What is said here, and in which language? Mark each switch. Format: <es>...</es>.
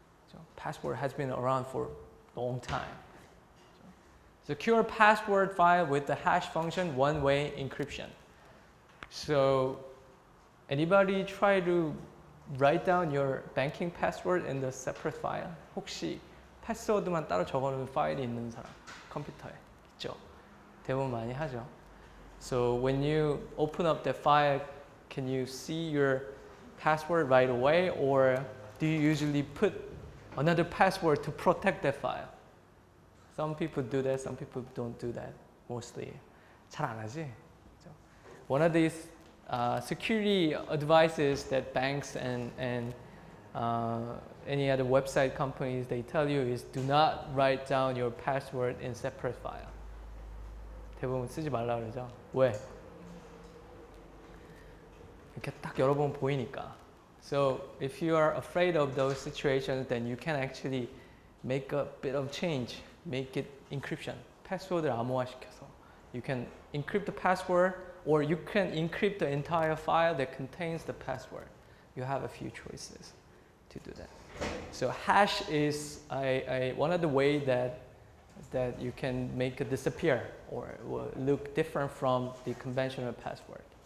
<en>So password has been around for a long time. Secure password file with the hash function, one-way encryption. So, anybody try to write down your banking password in the separate file?</en> <ko>혹시 패스워드만 따로 적어놓은 파일이 있는 사람? 컴퓨터에 있죠? 대부분 많이 하죠?</ko> <en>So, when you open up the file, can you see your password right away? Or do you usually put another password to protect that file? Some people do that, some people don't do that, mostly.</en> <ko>잘 안 하지?</ko> <en>One of these security advices that banks and any other website companies, they tell you is do not write down your password in separate file.</en> <ko>대부분 쓰지 말라고 그러죠. 왜? 이렇게 딱 열어보면 보이니까.</ko> <en>So if you are afraid of those situations, then you can actually make a bit of change. Make it encryption. Password</en> <ko>암호화시켜서</ko> <en>you can encrypt the password, or you can encrypt the entire file that contains the password. You have a few choices to do that. So hash is one of the way that you can make it disappear or look different from the conventional password.</en>